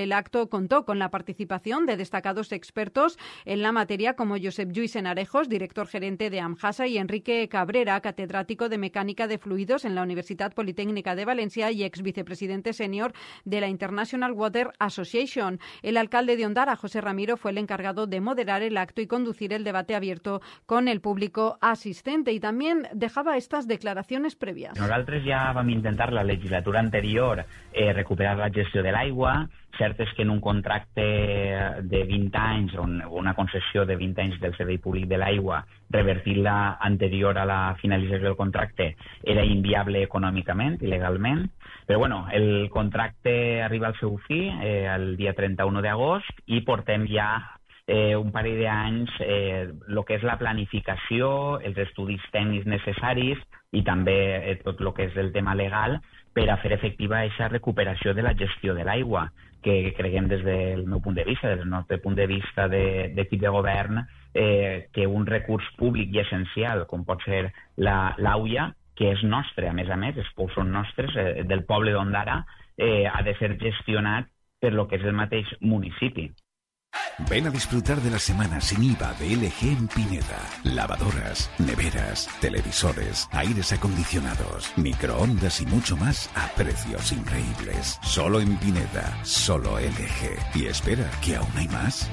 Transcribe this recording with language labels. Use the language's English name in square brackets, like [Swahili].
[Spanish] El acto contó con la participación de destacados expertos en la materia como Josep Lluís Enarejos, director gerente de AMHASA, y Enrique Cabrera, catedrático de mecánica de fluidos en la Universidad Politécnica de Valencia y ex vicepresidente senior de la International Water Association. El alcalde de Ondara, José Ramiro, fue el encargado de moderar el acto y conducir conducir el debate abierto con el público asistente. Y también dejaba estas declaraciones previas. [Catalan] Nosaltres ja vam intentar la legislatura anterior recuperar la gestió de l'aigua. Cert és que en un contracte de 20 anys o una concessió de 20 anys del servei públic de l'aigua, revertir-la anterior a la finalització del contracte era inviable econòmicament, legalment. Però bueno, el contracte arriba al seu fi el dia 31 d'agost i portem ja un parell d'anys el que és la planificació, els estudis tècnics necessaris i també tot el que és el tema legal per a fer efectiva aquesta recuperació de la gestió de l'aigua, que creiem des del meu punt de vista, des del nostre punt de vista d'equip de govern, que un recurs públic i essencial, com pot ser l'aigua, que és nostre, a més, els pous són nostres, del poble d'Ondara, ha de ser gestionat per lo que és el mateix municipi. [Spanish] Ven a disfrutar de la semana sin IVA de LG en Pineda. Lavadoras, neveras, televisores, aires acondicionados, microondas y mucho más a precios increíbles. Solo en Pineda, solo LG. Y espera, ¿que aún hay más?